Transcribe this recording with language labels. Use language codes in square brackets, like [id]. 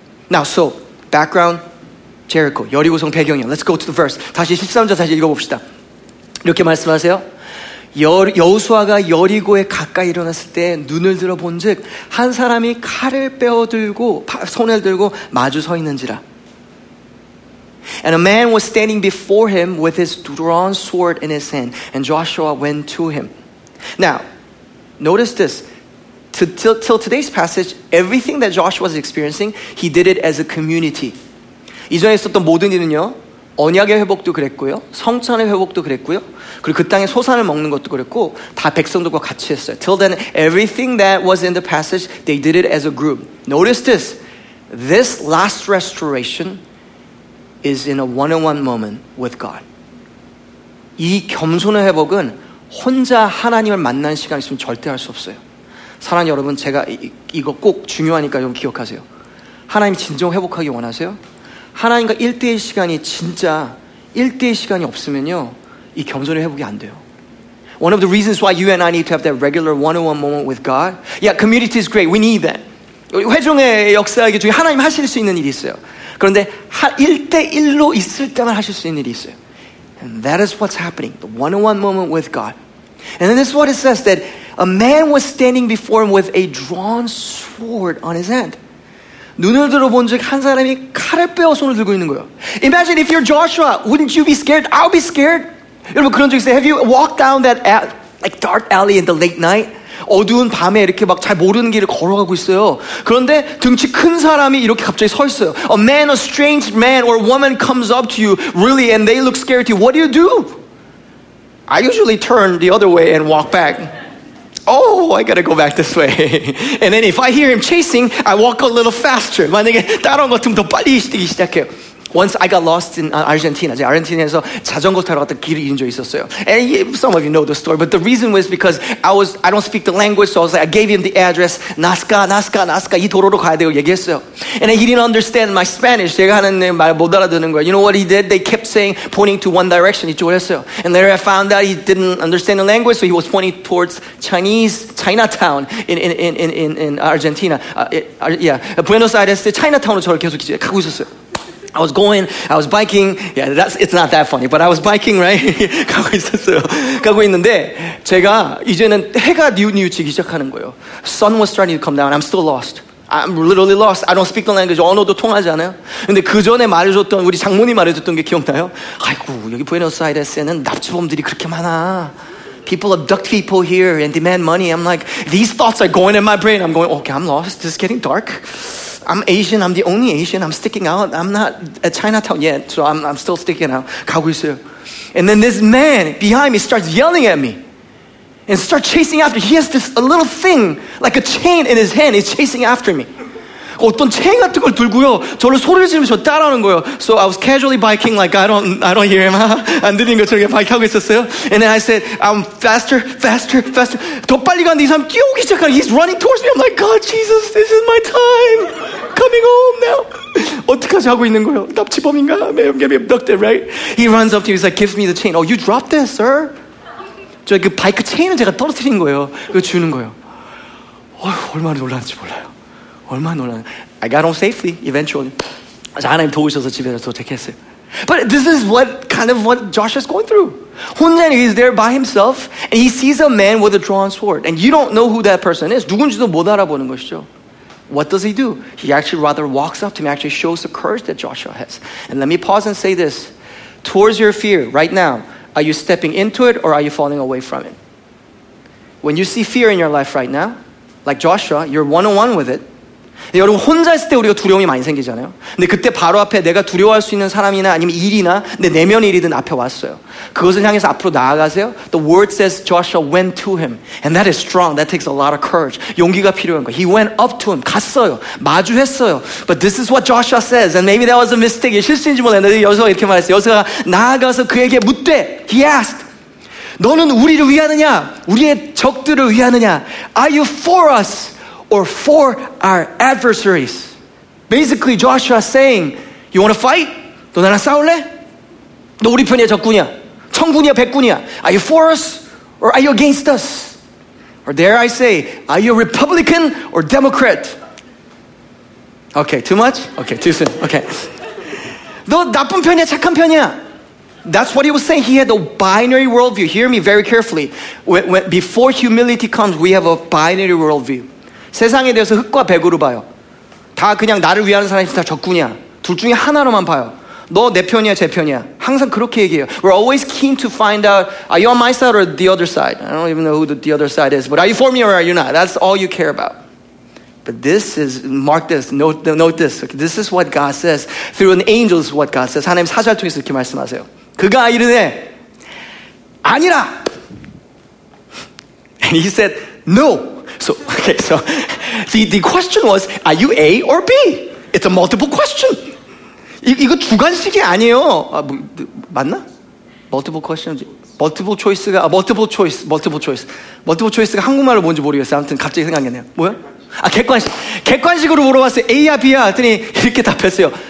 [en] Now, so, background, Jericho. [ko] 여리고성 배경이요. [en] Let's go to the verse. [ko] 다시 13절 다시 읽어봅시다. 이렇게 말씀하세요. 여호수아가 여리고에 가까이 일어났을 때 눈을 들어 본즉 한 사람이 칼을 빼어들고 손을 들고 마주 서 있는지라. [en] And a man was standing before him with his drawn sword in his hand, and Joshua went to him. Now, notice this. Till today's passage, everything that Joshua was experiencing, he did it as a community. [ko] 이전에 있었던 모든 일은요. 언약의 회복도 그랬고요. 성찬의 회복도 그랬고요. 그리고 그 땅의 소산을 먹는 것도 그랬고 다 백성들과 같이 했어요. [en] Till then, everything that was in the passage, they did it as a group. Notice this. This last restoration is in a one-on-one moment with God. [ko] 이 겸손의 회복은 혼자 하나님을 만난 시간이 있으면 절대 할 수 없어요. 사랑하는 여러분, 제가 이거 꼭 중요하니까 좀 기억하세요. 하나님 진정 회복하기 원하세요? 하나님과 1대1 시간이 진짜 1대1 시간이 없으면요. 이 겸손의 회복이 안 돼요. [en] One of the reasons why you and I need to have that regular one-on-one moment with God. Yeah, community is great. We need that. [ko] 회중의 역사에 중에 하나님 하실 수 있는 일이 있어요. 그런데 1대1로 있을 때만 하실 수 있는 일이 있어요. [en] And that is what's happening. The one-on-one moment with God. And then this is what it says, that a man was standing before him with a drawn sword on his hand. [ko] 눈을 들어본 즉 한 사람이 칼을 빼어 손을 들고 있는 거예요. [en] Imagine if you're Joshua, wouldn't you be scared? I'll be scared. [ko] 여러분 그런 적 있어요? [en] Have you walked down that like dark alley in the late night? [ko] 어두운 밤에 이렇게 막 잘 모르는 길을 걸어가고 있어요. 그런데 등치 큰 사람이 이렇게 갑자기 서 있어요. [en] A man, a strange man or a woman comes up to you really and they look scared to you. What do you do? I usually turn the other way and walk back. Oh, I gotta go back this way. And then if I hear him chasing, I walk a little faster. [ko] 만약에 따라온 것 좀 더 빨리 뛰기 시작해요. [en] Once I got lost in Argentina. [ko] 제가 아르헨티나에서 자전거 타러 갔던 길을 잃은 적이 있었어요. [en] And some of you know the story, but the reason was because I don't speak the language, so I was like, I gave him the address, Nazca, [ko] 이 도로로 가야 돼요, 얘기했어요. [en] And he didn't understand my Spanish. [ko] 제가 하는 말 못 알아듣는 거예요. [en] You know what he did? They kept saying, pointing to one direction, [ko] 이쪽으로 했어요. [en] And later I found out he didn't understand the language, so he was pointing towards Chinese Chinatown in Argentina. [ko] Buenos Aires, Chinatown으로 저를 계속 가고 있었어요. [en] I was going, I was biking. Yeah, it's not that funny, but I was biking, right? [ko] 가고 있었어요. 가고 있는데 제가 이제는 해가 뉘우치기 시작하는 거예요. [en] Sun was starting to come down. I'm still lost. I'm literally lost. I don't speak the language. [ko] 언어도 통하지 않아요. 근데 그 전에 말해줬던 우리 장모님 말해줬던 게 기억나요? 아이고, 여기 부에노스아이레스에는 납치범들이 그렇게 많아. [en] People abduct people here and demand money. I'm like, these thoughts are going in my brain. I'm going, okay, I'm lost. This is getting dark. I'm Asian. I'm the only Asian. I'm sticking out. I'm not at Chinatown yet, so I'm still sticking out. [ko] 가고 있어요. [en] And then this man behind me starts yelling at me and starts chasing after. He has this a little thing, like a chain in his hand. He's chasing after me. [ko] 어떤 체인 같은 걸 들고요. 저를 소리 지르면서 따라오는 거예요. [en] So I was casually biking like I don't hear him. [ko] 안 들린 것처럼 바이크하고 있었어요. [en] And then I said, I'm faster, faster, faster. [ko] 더 빨리 가는데 이 사람 뛰어오기 시작하는 [en] He's running towards me. I'm like, God, Jesus, this is my time. Coming home now. [ko] 어떡하지 하고 있는 거예요. 납치범인가? [en] I'm getting abducted, right? He runs up to me. He's like, give me the chain. Oh, you dropped this, sir. [ko] 저 그 바이크 체인을 제가 떨어뜨린 거예요. 그거 주는 거예요. 어휴, 얼마나 놀랐는지 몰라요. 얼마나 놀라. [en] I got home safely, eventually. [ko] 하나님 도우셔서 집에 도착했어요. [en] But this is what Joshua is going through. 혼자 he's there by himself, and he sees a man with a drawn sword. And you don't know who that person is. [ko] 누군지도 못 알아보는 것이죠. [en] What does he do? He actually rather walks up to him, actually shows the courage that Joshua has. And let me pause and say this. Towards your fear right now, are you stepping into it or are you falling away from it? When you see fear in your life right now, like Joshua, you're one-on-one with it. [ko] 여러분 혼자 있을 때 우리가 두려움이 많이 생기잖아요. 근데 그때 바로 앞에 내가 두려워할 수 있는 사람이나 아니면 일이나 내 내면 일이든 앞에 왔어요. 그것을 향해서 앞으로 나아가세요. [en] The word says Joshua went to him. And that is strong. That takes a lot of courage. [ko] 용기가 필요한 거예요. [en] He went up to him. [ko] 갔어요. 마주했어요. [en] But this is what Joshua says. And maybe that was a mistake. [ko] 실수인지 몰랐는데 여호수아가 이렇게 말했어요. 여호수아가 나아가서 그에게 묻되. [en] He asked. [ko] 너는 우리를 위하느냐? 우리의 적들을 위하느냐? [en] Are you for us? Or for our adversaries. Basically, Joshua saying, you want to fight? [ko] 너 나랑 싸울래? 너 우리 편이야, 적군이야? 천군이야, 백군이야? [en] Are you for us? Or are you against us? Or dare I say, are you a Republican or Democrat? Okay, too much? Okay, too soon. Okay. [ko] 너 나쁜 편이야, 착한 편이야? [en] That's what he was saying. He had a binary worldview. Hear me very carefully. When, before humility comes, we have a binary worldview. [ko] 세상에 대해서 흑과 백으로 봐요. 다 그냥 나를 위하는 사람이 다 적군이야. 둘 중에 하나로만 봐요. 너 내 편이야, 제 편이야. 항상 그렇게 얘기해요. [en] We're always keen to find out, are you on my side or the other side? I don't even know who the other side is, but are you for me or are you not? That's all you care about. But this is, mark this, note this. Okay, this is what God says. Through an angel is what God says. [ko] 하나님 사절 통해서 이렇게 말씀하세요. 그가 이르되, 아니라! [en] And he said, no! So, okay, so the question was, are you A or B? It's a multiple question. [ko] 이거 주관식이 아니에요. 아, 맞나? [en] Multiple question? [ko] Multiple choice가, multiple choice가 한국말로 뭔지 모르겠어요. 아무튼 갑자기 생각났네요. 뭐야? 아, 객관식. 객관식으로 물어봤어요. A야, B야? 했더니 이렇게 답했어요.